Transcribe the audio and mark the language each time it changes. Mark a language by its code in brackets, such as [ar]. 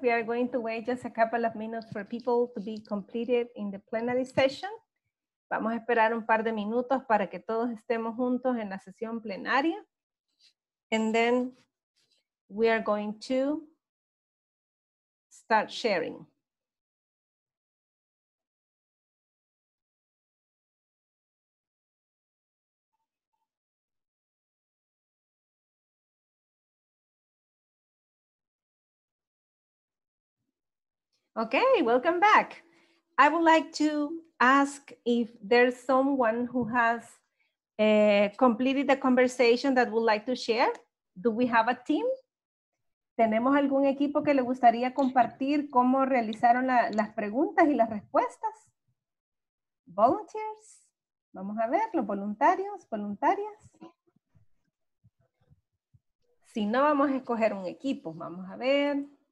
[en] We are going to wait just a couple of minutes for people to be completed in the plenary session. [es] Vamos a esperar un par de minutos para que todos estemos juntos en la sesión plenaria. [en] And then we are going to start sharing. Okay, welcome back. I would like to ask if there's someone who has completed the conversation that would like to share. Do we have a team? [es] ¿Tenemos algún equipo que le gustaría compartir cómo realizaron las preguntas y las respuestas? Volunteers. Vamos a ver, los voluntarios, voluntarias. Si no, vamos a escoger un equipo. Vamos a ver.